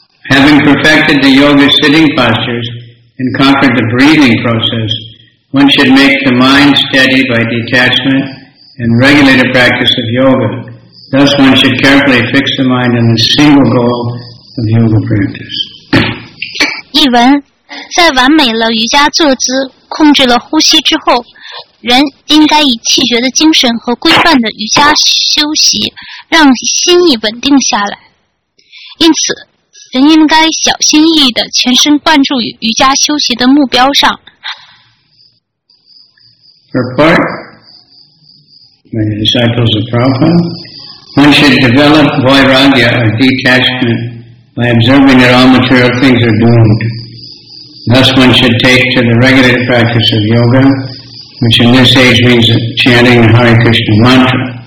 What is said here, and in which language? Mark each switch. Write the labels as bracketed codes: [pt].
[en] Having perfected the yoga sitting postures and conquered the breathing process, one should make the mind steady by detachment and regulated practice of yoga. Thus, one should carefully fix the mind on the single goal of yoga practice. [zh] 译文：在完美了瑜伽坐姿，控制了呼吸之后，人应该以气觉的精神和规范的瑜伽修习，让心意稳定下来。因此。人应该小心翼翼地全身贯注于瑜伽修习的目标上。 [en] For part, by the disciples of Prabhupada, one should develop vairagya or detachment by observing that all material things are doomed. Thus one should take to the regulated practice of yoga, which in this age means chanting the Hare Krishna mantra.